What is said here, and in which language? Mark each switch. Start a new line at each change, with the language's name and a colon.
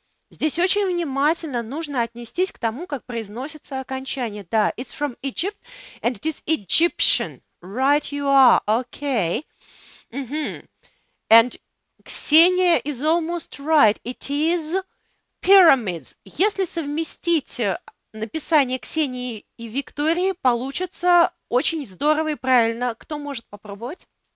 Russian: Здесь очень внимательно нужно отнестись к тому, как произносится окончание.
English: Да, it's from Egypt, and it is Egyptian. Right you are, okay. Mm-hmm. And Ксения is almost right. It is pyramids.
Russian: Если совместить написание Ксении и Виктории, получится очень здорово и правильно. Кто может попробовать?